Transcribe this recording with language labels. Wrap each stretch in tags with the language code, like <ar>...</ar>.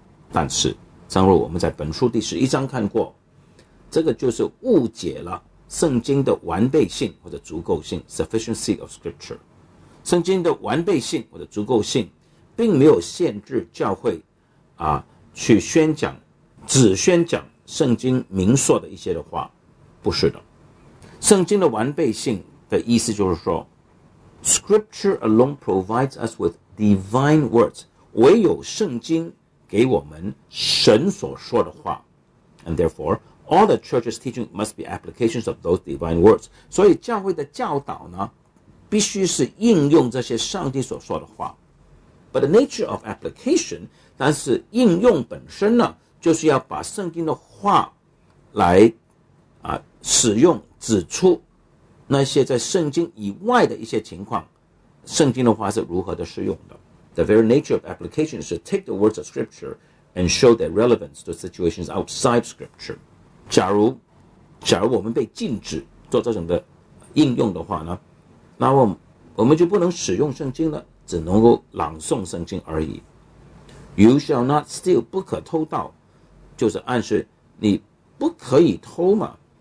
<zh>但是正如我们在本书第11章看过，这个就是误解了圣经的完备性或者足够性</zh> <en>Sufficiency of Scripture。</en> <zh>圣经的完备性或者足够性并没有限制教会去宣讲只宣讲圣经明说的一些的话，不是的。圣经的完备性的意思就是说</zh> <en>Scripture alone provides us with divine words.</en> <zh>唯有圣经给我们神所说的话。</zh> <en>And therefore, all the church's teaching must be applications of those divine words.</en> <zh>所以教会的教导呢，必须是应用这些上帝所说的话。</zh> <en>But the nature of application,</en> <zh>但是应用本身呢，就是要把圣经的话来使用指出那些在圣经以外的一些情况，圣经的话是如何的适用的。</zh> <en>The very nature of application is to take the words of scripture and show their relevance to situations outside scripture.</en> <zh>假如我们被禁止做这种的应用的话呢，那我们就不能使用圣经了，只能够朗诵圣经而已。</zh> <en>You shall not steal,</en> <zh>不可偷盗，就是暗示你不可以偷嘛。</zh>